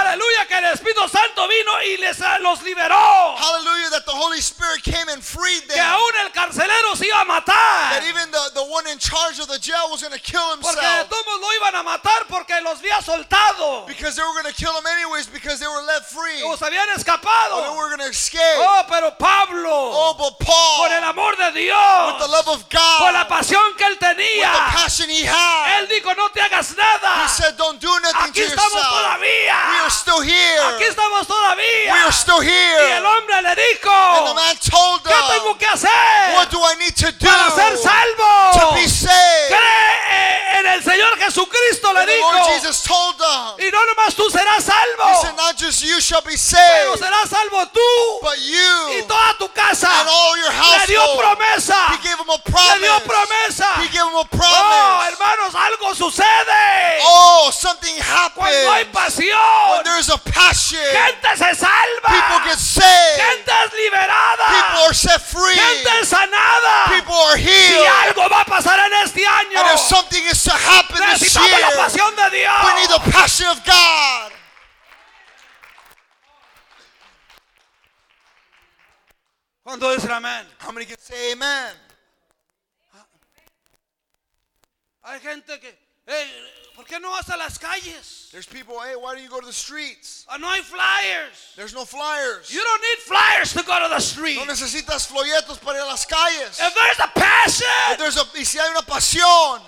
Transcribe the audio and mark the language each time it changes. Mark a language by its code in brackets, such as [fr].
[es] Aleluya, que el Espíritu Santo vino y los liberó. [en] Hallelujah, that the Holy Spirit came and freed them. [es] Que aún el carcelero se iba a matar. [en] That even the one in charge of the jail was going to kill himself. [es] Porque de todos modos lo iban a matar porque los había soltado. [en] Because they were going to kill him anyways because they were let free. [es] O se habían escapado. [en] Or they were going to escape. [es] Oh, pero Pablo. [en] Oh, but Paul. [es] Por el amor de Dios. [en] With the love of God. [es] Por la pasión que él tenía. [en] With the passion he had. [es] Él dijo, no te hagas nada. [en] He said, don't do nothing [es] aquí [en] to yourself. [es] Aquí estamos todavía. [en] We are still here. [es] Aquí estamos todavía. [en] We are still here. [es] Y el hombre le dijo. [en] And the man told him. [es] ¿Qué tengo que hacer? [en] What do I need to do? [es] Ser salvo. [en] To be saved. [es] Cree en el Señor Jesucristo, [en] and [es] le dijo. [en] The Lord Jesus told them. [es] Y no nomás tú serás salvo. [en] He said, just you shall be saved. [es] Pero serás salvo tú, [en] but you [es] y toda tu casa. [en] And all your household. [es] Le dio promesa. [en] He gave him a promise. [es] Le dio promesa. [en] He gave him a promise. [es] Oh, hermanos, algo sucede. [en] Oh, something happens. [es] Cuando hay pasión. [en] When there's a passion. [es] Gente se salva. [en] People get saved. [es] Gente es liberada. [en] People are set free. [es] Gente es sanada. [en] People are healed. [es] Y algo va a pasar en este año. [en] And if something is to happen [es] necesitamos [en] this year, [es] la pasión de Dios. [en] We need the passion of God. [es] ¿Cuánto dice amén? [en] How many can say amen? [es] Hay gente que, hey, ¿por qué no vas a las calles? [en] There's people, hey, why don't you go to the streets? [es] No hay flyers. [en] There's no flyers. You don't need flyers to go to the streets. [es] No necesitas folletos para ir a las calles. [en] If there's a passion. If there's a, [es] y si hay una pasión.